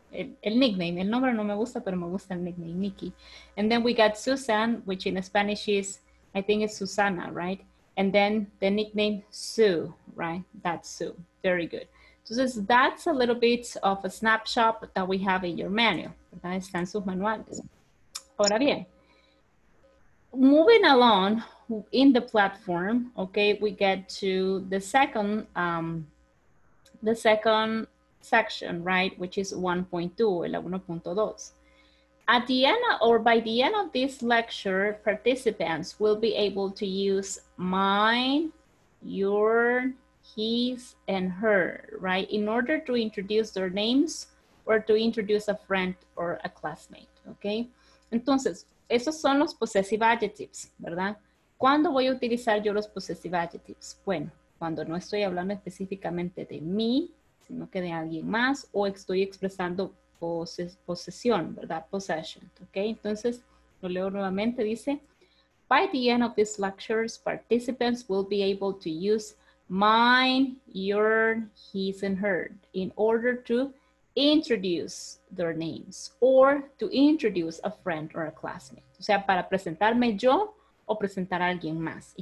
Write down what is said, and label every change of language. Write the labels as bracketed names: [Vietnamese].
[Spanish] El nickname, el nombre no me gusta, pero me gusta el nickname, Nikki. [English] And then we got Susan, which in Spanish is, I think it's Susana, right? And then the nickname Sue, right? That's Sue. Very good. Entonces, that's a little bit of a snapshot that we have in your manual, ¿verdad? [Spanish] Están sus manuales. Ahora bien, [English] moving along in the platform, okay, we get to the second section, right, which is 1.2, el 1.2. At the end or by the end of this lecture, participants will be able to use mine, your, his, and her, right, in order to introduce their names or to introduce a friend or a classmate, okay? [Spanish] Entonces, esos son los possessive adjectives, ¿verdad? ¿Cuándo voy a utilizar yo los possessive adjectives? Bueno, cuando no estoy hablando específicamente de mí, sino que de alguien más, o estoy expresando posesión, ¿verdad? [English] Possession, ¿ok? [Spanish] Entonces, lo leo nuevamente, dice, [English] by the end of these lectures, participants will be able to use mine, your, his, and her in order to introduce their names or to introduce a friend or a classmate. [Spanish] O sea, para presentarme yo o presentar a alguien más.